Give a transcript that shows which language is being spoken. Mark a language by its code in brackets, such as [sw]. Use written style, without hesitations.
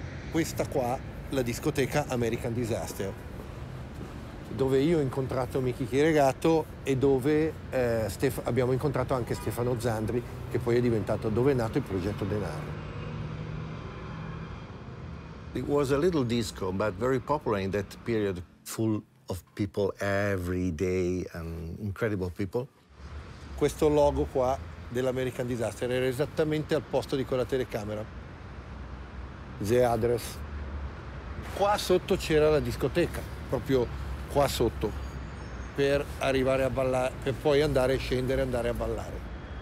[it] Questa qua, la discoteca American Disaster, dove io ho incontrato Michi Chiregato e dove abbiamo incontrato anche Stefano Zandri, che poi è diventato, dove è nato il progetto Den Harrow. [en] It was a little disco, but very popular in that period, full of people every day, and incredible people. [it] Questo logo qua dell'American Disaster era esattamente al posto di quella telecamera. [en] The address. [it] Qua sotto c'era la discoteca, proprio qua sotto, per arrivare a ballare, per poi andare, scendere e andare a ballare.